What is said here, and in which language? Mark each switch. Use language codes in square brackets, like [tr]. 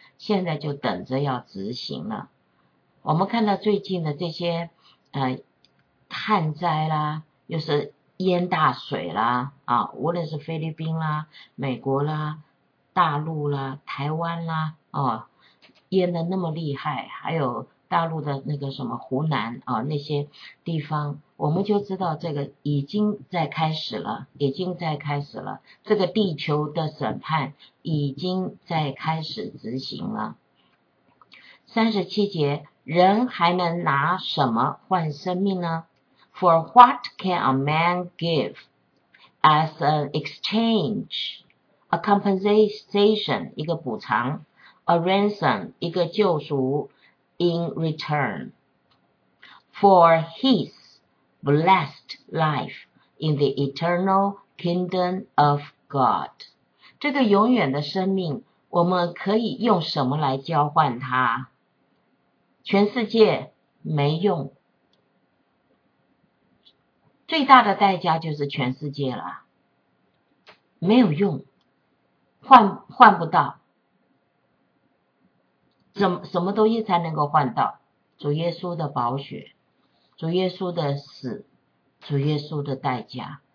[zh] 现在就等着要执行了。我们看到最近的这些旱灾啦，又是淹大水啦啊，无论是菲律宾啦、美国啦、大陆啦、台湾啦啊，淹得那么厉害，还有大陆的那个什么湖南啊那些地方，我们就知道这个已经在开始了，已经在开始了，这个地球的审判已经在开始执行了。 37节，人还能拿什么换生命呢？ [en] For what can a man give as an exchange, a compensation [zh] 一个补偿， [en] a ransom [zh] 一个救赎。 [en] In return for his blessed life in the eternal kingdom of God， [zh] 这个永远的生命，我们可以用什么来交换它？全世界没用，最大的代价就是全世界了，没有用，换不到。什么东西才能够换到主耶稣的宝血、主耶稣的死、主耶稣的代价？